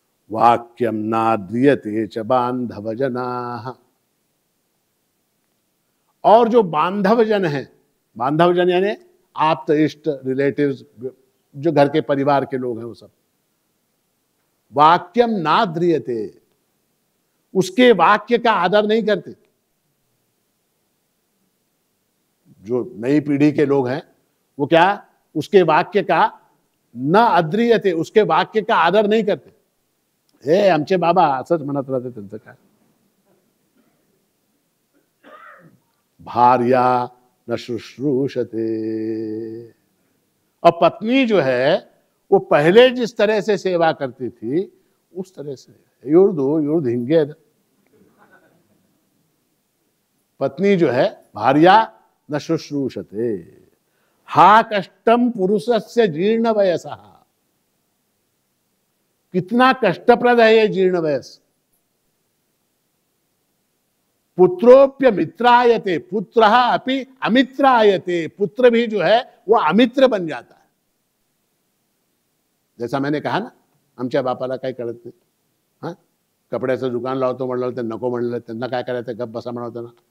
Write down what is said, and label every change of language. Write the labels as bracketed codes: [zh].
[sa] वाक्यम नाद्रियते च बांधवजनाः, [hi] और जो बांधवजन है, बांधवजन यानी आप्त इष्ट रिलेटिव्स, जो घर के परिवार के लोग हैं, वो सब वाक्यम नाद्रियते, उसके वाक्य का आदर नहीं करते. जो नई पीढ़ी के लोग हैं वो क्या, उसके वाक्य का न अद्रियते, उसके वाक्य का आदर नहीं करते. [mr] हे आमचे बाबा असंच म्हणत राहते त्यांचं काय. [sa] भार्या न शुश्रूषते, [hi] और पत्नी जो है वो पहले जिस तरह से सेवा करती थी उस तरह से, युर्दो युर्धिंगे, पत्नी जो है भार्या न शुश्रूषते. [sa] हा कष्टम पुरुषस्य जीर्ण वयस, [hi] कितना कष्टप्रद है ये जीर्ण वयस. [sa] पुत्रोप्य मित्रायते, पुत्रः अपि अमित्रायते, [hi] पुत्र भी जो है वो अमित्र बन जाता है. जैसा मैंने कहा ना, [mr] आमच्या बापाला काय कळत नाही, कपड्याचं दुकान लावतो म्हणलं ते नको म्हणलं, त्यांना काय करायचं गप बसा म्हणत ना.